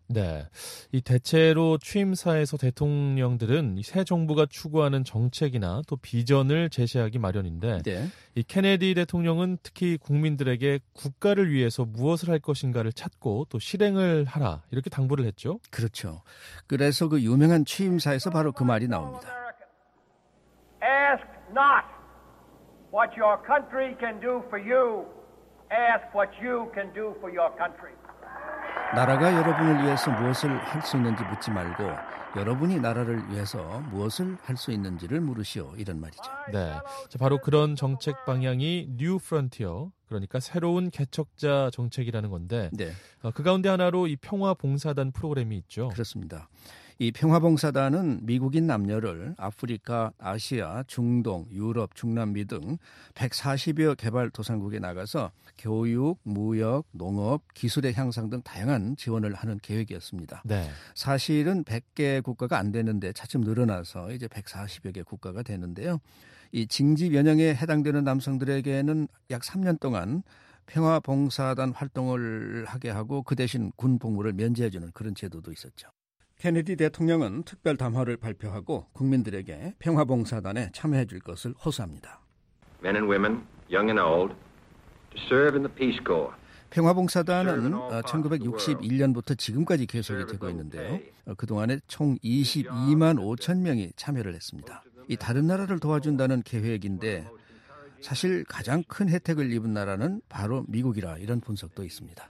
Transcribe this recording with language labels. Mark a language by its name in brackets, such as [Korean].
[Korean] 네, 이 대체로 취임사에서 대통령들은 새 정부가 추구하는 정책이나 또 비전을 제시하기 마련인데 네. 이 케네디 대통령은 특히 국민들에게 국가를 위해서 무엇을 할 것인가를 찾고 또 실행을 하라 이렇게 당부를 했죠. 그렇죠. 그래서 그 유명한 취임사에서 바로 그 말이 나옵니다. [English] Ask not what your country can do for you. Ask what you can do for your country. [Korean] 나라가 여러분을 위해서 무엇을 할 수 있는지 묻지 말고 여러분이 나라를 위해서 무엇을 할 수 있는지를 물으시오 이런 말이죠. 네, 바로 그런 정책 방향이 New Frontier, 그러니까 새로운 개척자 정책이라는 건데 네. 그 가운데 하나로 이 평화봉사단 프로그램이 있죠. 그렇습니다. 이 평화봉사단은 미국인 남녀를 아프리카, 아시아, 중동, 유럽, 중남미 등 140여 개발도상국에 나가서 교육, 무역, 농업, 기술의 향상 등 다양한 지원을 하는 계획이었습니다. 네. 사실은 100개 국가가 안 됐는데 차츰 늘어나서 이제 140여 개 국가가 됐는데요. 이 징집 연행에 해당되는 남성들에게는 약 3년 동안 평화봉사단 활동을 하게 하고 그 대신 군 복무를 면제해주는 그런 제도도 있었죠. 케네디 대통령은 특별 담화를 발표하고 국민들에게 평화봉사단에 참여해 줄 것을 호소합니다. [English] Men and women, young and old, to serve in the Peace Corps. [Korean] 평화봉사단은 1961년부터 지금까지 계속이 되고 있는데요. 그동안에 총 22만 5천 명이 참여를 했습니다. 이 다른 나라를 도와준다는 계획인데 사실 가장 큰 혜택을 입은 나라는 바로 미국이라 이런 분석도 있습니다.